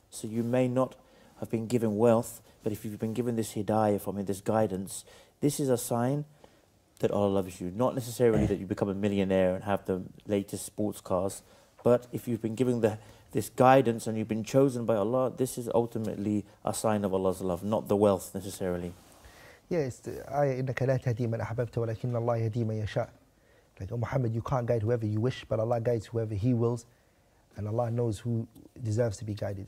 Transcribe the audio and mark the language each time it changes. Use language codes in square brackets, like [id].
[en] So you may not have been given wealth, but if you've been given this hidayah from Him, this guidance, this is a sign that Allah loves you. Not necessarily that you become a millionaire and have the latest sports cars, but if you've been given this guidance and you've been chosen by Allah, this is ultimately a sign of Allah's love, not the wealth necessarily. Yeah, it's the ayah, [ar] إِنَّكَ لَا تَهْدِي مَنْ أَحْبَبْتَ وَلَكِنَّ اللَّهَ يَهْدِي مَنْ يَشَاءُ. [en] Like, oh Muhammad, you can't guide whoever you wish, but Allah guides whoever He wills, and Allah knows who deserves to be guided.